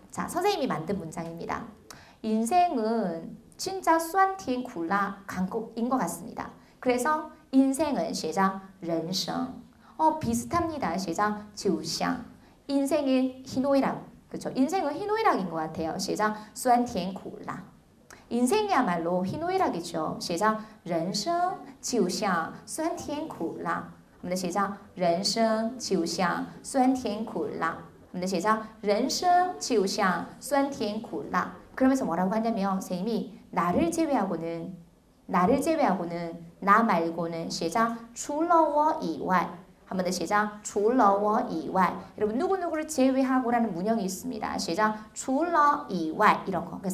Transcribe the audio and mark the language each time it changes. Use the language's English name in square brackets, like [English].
[Korean] 자, 선생님이 만든 문장입니다. 인생은 진짜 酸甜苦辣 강국인 것 같습니다. 그래서 인생은 시작, 人生. 비슷합니다. 시작, 就像. 인생의 희노애락. 그렇죠. 인생은 희노애락인 것 같아요. 시작, 酸甜苦辣. 인생이야말로 희노애락이죠. [Chinese] 시작, 人生就像酸甜苦辣. 我们的 시작, 人生就像酸甜苦辣. 我们的 시작, 人生就像酸甜苦辣. [Korean] 그러면서 뭐라고 하냐면 선생님이 나를 제외하고는 나 말고는 시작, [Chinese] 除了我以外. [Korean] 한번 더 시작, [Chinese] 除了我以外. [Korean] 여러분, 누구누구를 제외하고라는 문형이 있습니다. 시작, [Chinese] 除了以外. [Korean] 이런 거.